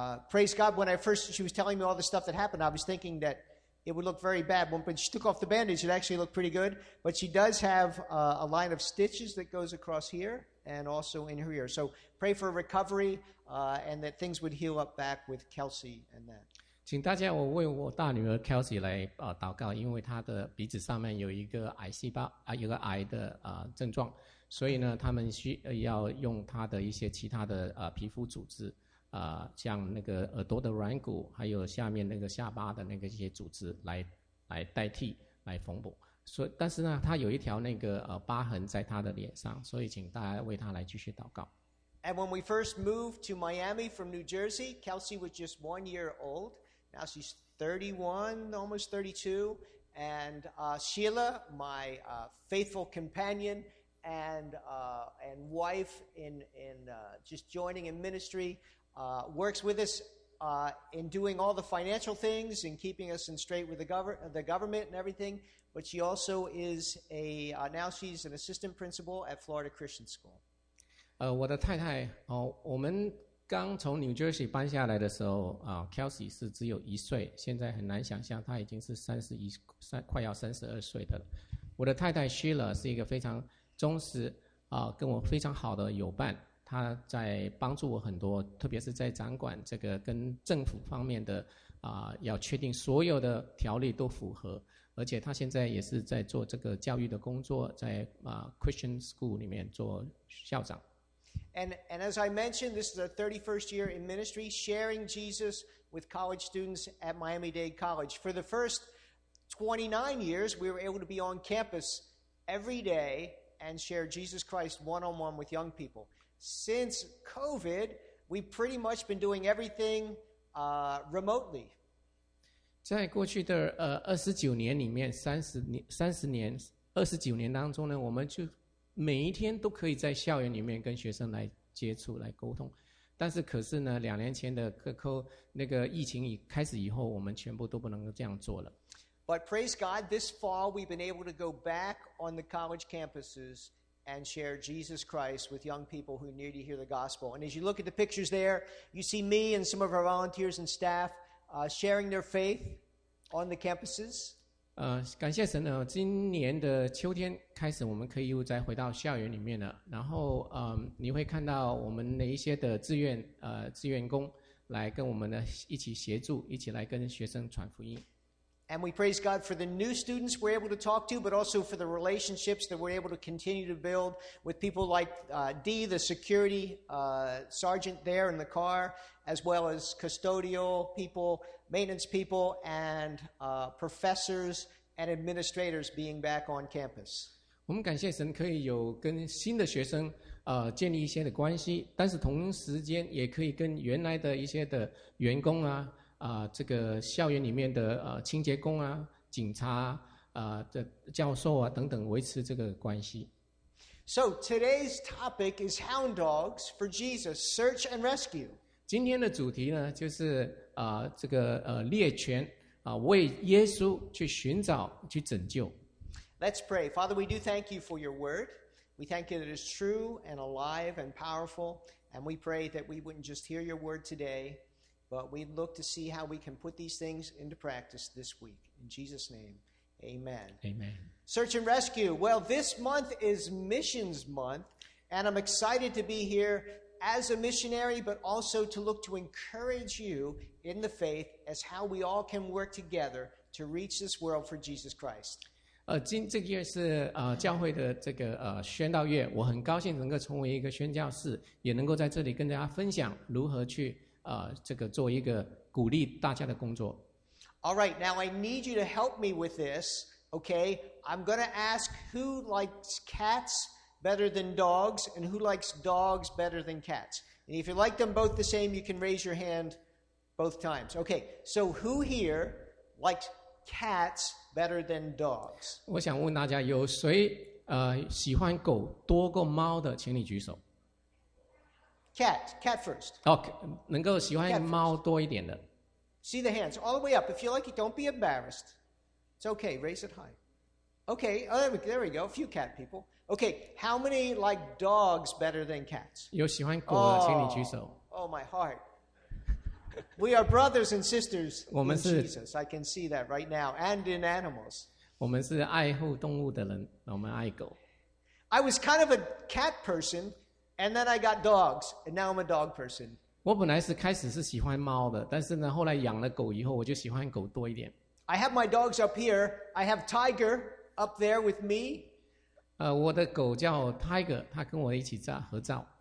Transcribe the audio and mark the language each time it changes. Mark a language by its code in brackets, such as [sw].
[en] Praise God, when I first, she was telling me all the stuff that happened, I was thinking that it would look very bad, but she took off the bandage, it actually looked pretty good, but she does have a line of stitches that goes across here, and also in her ear, so pray for recovery, and that things would heal up back with Kelsey and that. [zh] 请大家我为我大女儿 Kelsey 来祷告，因为她的鼻子上面有一个癌细胞，有个癌的症状，所以呢，他们需要用她的一些其他的皮肤组织像那个耳朵的软骨，还有下面那个下巴的那个一些组织来代替来缝补。所以，但是呢，他有一条那个疤痕在他的脸上，所以请大家为他来继续祷告。 [en] And when we first moved to Miami from New Jersey, Kelsey was just 1 year old. Now she's 31, almost 32. And Sheila, my faithful companion and wife in just joining in ministry. Works with us in doing all the financial things and keeping us in straight with the government and everything, but she also is now she's an assistant principal at Florida Christian School. [zh] 我的太太我们刚从 New Jersey 搬下来的时候Kelsey 是只有一岁，现在很难想象她已经是快要32岁的了。我的太太 Sheila 是一个非常忠实跟我非常好的友伴。他在帮助我很多，特别是在掌管这个跟政府方面的要确定所有的条例都符合，而且他现在也是在做这个教育的工作，在Christian School 里面做校长。 [en] And as I mentioned, this is our 31st year in ministry, sharing Jesus with college students at Miami-Dade College. For the first 29 years, we were able to be on campus every day and share Jesus Christ one-on-one with young people. Since COVID, we've pretty much been doing everything remotely. [zh] 在过去的29年里面29年当中呢，我们就每一天都可以在校园里面跟学生来接触来沟通，但是可是呢两年前的那个疫情开始以后，我们全部都不能够这样做了。 [en] But praise God, this fall we've been able to go back on the college campuses and share Jesus Christ with young people who need to hear the gospel. And as you look at the pictures there, you see me and some of our volunteers and staff sharing their faith on the campuses. [zh] 感谢神呢，今年的秋天开始我们可以又再回到校园里面了，然后你会看到我们的一些的志愿工来跟我们呢一起协助，一起来跟学生传福音。 [en] And we praise God for the new students we're able to talk to, but also for the relationships that we're able to continue to build with people like Dee, the security sergeant there in the car, as well as custodial people, maintenance people, and professors and administrators being back on campus. [zh] 我们感谢神可以有跟新的学生建立一些的关系，但是同时间也可以跟原来的一些的员工啊，这个校园里面的清洁工啊，警察啊，的教授啊等等维持这个关系。 [en] So today's topic is hound dogs for Jesus, search and rescue. [zh] 今天的主题呢就是猎犬为耶稣去寻找去拯救。 [en] Let's pray. Father, we do thank you for your word. We thank you that it is true and alive and powerful. And we pray that we wouldn't just hear your word today, but we'd look to see how we can put these things into practice this week. In Jesus' name, amen. Amen. Search and rescue. Well, this month is missions month, and I'm excited to be here as a missionary, but also to look to encourage you in the faith as how we all can work together to reach this world for Jesus Christ. [zh] 这个月是教会的这个宣道月，我很高兴能够成为一个宣教士，也能够在这里跟大家分享如何去这个做一个鼓励大家的工作。 [en] All right, now I need you to help me with this, okay? I'm going to ask who likes cats better than dogs, and who likes dogs better than cats. And if you like them both the same, you can raise your hand both times. Okay, so who here likes cats better than dogs? [zh] 我想问大家，有谁喜欢狗多过猫的，请你举手。 [en] Cat first. [zh] Okay, 能够喜欢猫多一点的。 [en] See the hands, all the way up. If you like it, don't be embarrassed. It's okay, raise it high. Okay, there we go, a few cat people. Okay, how many like dogs better than cats? [zh] 有喜欢狗的，请你举手。 [en] Oh, my heart. We are brothers and sisters in Jesus. I can see that right now. And in animals. [zh] 我们是爱护动物的人，我们爱狗。 [en] I was kind of a cat person, and then I got dogs, and now I'm a dog person. [zh] 我本来是开始是喜欢猫的，但是呢，后来养了狗以后，我就喜欢狗多一点。 [en] I have my dogs up here. I have Tiger up there with me. [zh] 我的狗叫 Tiger, 他跟我一起在合照。